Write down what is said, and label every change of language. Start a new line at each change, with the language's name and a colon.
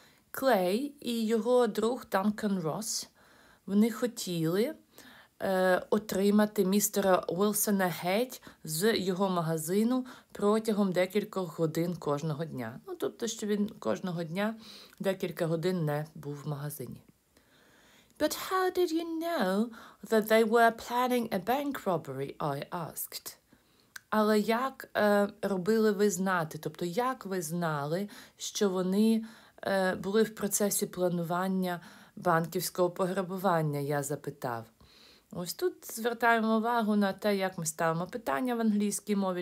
Ukrainian: Клей і його друг Данкан Росс, вони хотіли отримати містера Уилсона геть з його магазину протягом декількох годин кожного дня. Ну, тобто, що він кожного дня декілька годин не був в магазині.
English: But how did you know that they were planning a bank robbery, I asked.
Ukrainian: Але як робили ви знати, тобто як ви знали, що вони були в процесі планування банківського пограбування, я запитав. Ось тут звертаємо увагу на те, як ми ставимо питання в англійській мові.